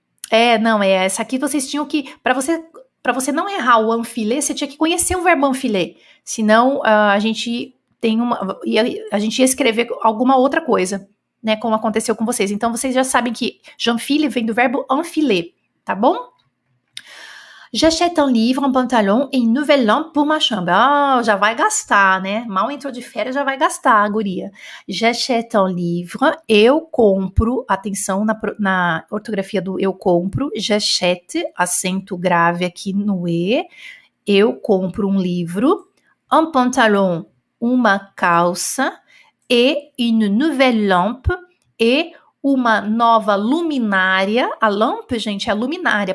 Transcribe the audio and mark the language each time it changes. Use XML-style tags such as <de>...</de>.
<pt>É, não, é essa aqui vocês tinham que. Para você não errar o enfiler, você tinha que conhecer o verbo enfiler. Senão, a gente ia escrever alguma outra coisa, né? Como aconteceu com vocês. Então, vocês já sabem que j'enfile vem do verbo enfiler. Tá bom?</pt> <fr>J'achète un livre, un pantalon et une nouvelle lampe pour ma chambre.</fr> <pt>Oh, já vai gastar, né? Mal entrou de férias, já vai gastar, guria.</pt> <fr>J'achète un livre,</fr> <pt>eu compro. Atenção na ortografia do eu compro. J'achète, acento grave aqui no E. Eu compro um livro,</pt> <fr>un pantalon,</fr> <pt>uma calça</pt> <fr>et une nouvelle lampe et</fr> <pt>uma nova luminária. A lâmpada, gente, é a luminária.</pt>